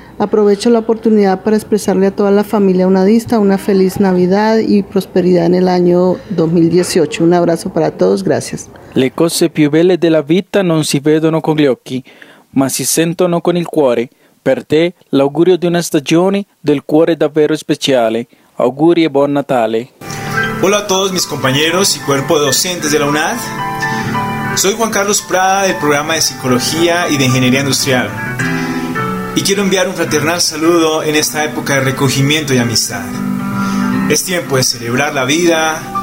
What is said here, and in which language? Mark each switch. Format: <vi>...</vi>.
<es>Aprovecho la oportunidad para expresarle a toda la familia unadista una feliz Navidad y prosperidad en el año 2018. Un abrazo para todos. Gracias.</es> <it>Le cose più belle della vita non si vedono con gli occhi, ma si sentono con il cuore. Per te l'augurio di una stagione del cuore davvero speciale. Auguri e buon Natale.</it> <es>Hola a todos mis compañeros y cuerpo de docentes de la UNAD. Soy Juan Carlos Prada del programa de Psicología y de Ingeniería Industrial. Y quiero enviar un fraternal saludo en esta época de recogimiento y amistad. Es tiempo de celebrar la vida,</es>